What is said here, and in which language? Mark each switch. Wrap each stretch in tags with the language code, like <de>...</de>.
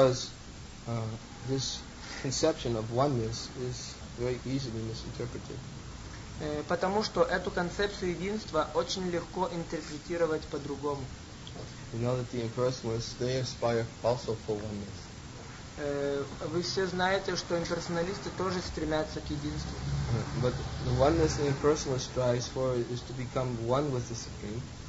<en>Because this conception of oneness is very easily misinterpreted.</en> <ru>Потому что эту концепцию единства очень легко интерпретировать по-другому.</ru> <en>We know that the impersonalists, they aspire also for oneness.</en> <ru>Вы все знаете, что имперсоналисты тоже стремятся к единству.</ru> <en>But the oneness the impersonalist strives for is to become one with the Supreme.</en>